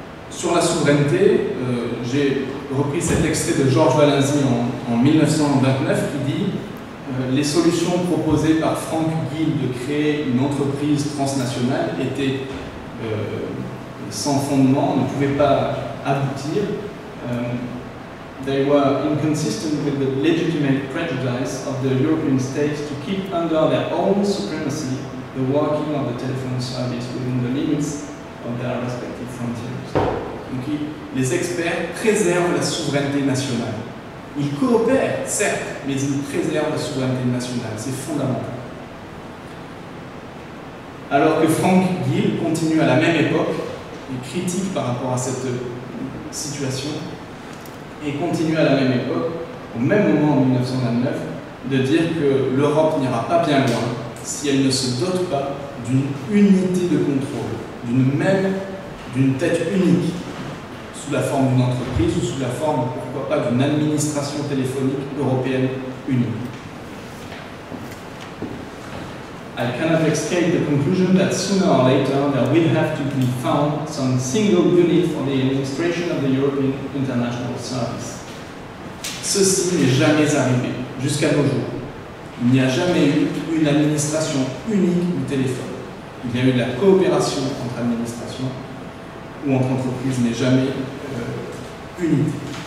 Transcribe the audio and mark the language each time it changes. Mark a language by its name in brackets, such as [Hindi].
[French] Sur la souveraineté, j'ai repris cet extrait de Georges Valenzi en 1929 qui dit « Les solutions proposées par Frank Gill de créer une entreprise transnationale étaient sans fondement, ne pouvaient pas aboutir. [English] They were inconsistent with the legitimate prejudice of the European states to keep under their own supremacy the working of the telephone service within the limits of their respective frontiers. » [French] Donc, les experts préservent la souveraineté nationale. Ils coopèrent, certes, mais ils préservent la souveraineté nationale. C'est fondamental. Alors que Frank Gill continue à la même époque, il critique par rapport à cette situation, et continue à la même époque, au même moment en 1929, de dire que l'Europe n'ira pas bien loin si elle ne se dote pas d'une unité de contrôle, d'une tête unique, sous la forme d'une entreprise ou sous la forme, pourquoi pas, d'une administration téléphonique européenne unique. [English] I cannot escape the conclusion that sooner or later there will have to be found some single unit for the administration of the European International Service. [French] Ceci n'est jamais arrivé, jusqu'à nos jours. Il n'y a jamais eu une administration unique du téléphone. Il y a eu de la coopération entre administrations ou entre entreprises, mais jamais unité.